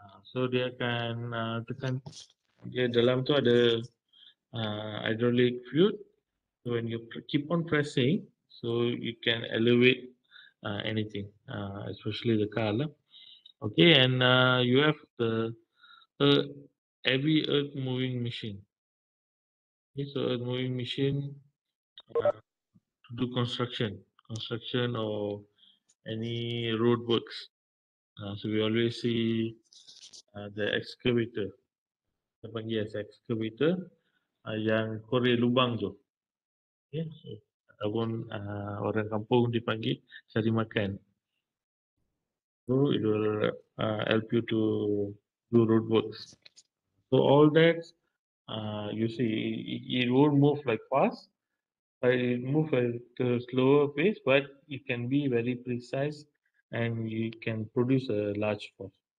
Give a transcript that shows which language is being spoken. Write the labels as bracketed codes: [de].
[ms] So dia akan tekan, dia dalam tu ada hydraulic fluid. [en] So when you keep on pressing, so you can elevate anything, especially the car lah. Okay, and you have the heavy earth moving machine. Okay, so earth moving machine to do construction or any road works. So we always see the excavator. [ms] Kita panggil as excavator yang korek lubang tu. Okay, so ataupun orang kampung dipanggil cari makan. [en] So it will help you to do road works. So all that, you see, it won't move like fast, but it move at a slower pace, but it can be very precise and you can produce a large force.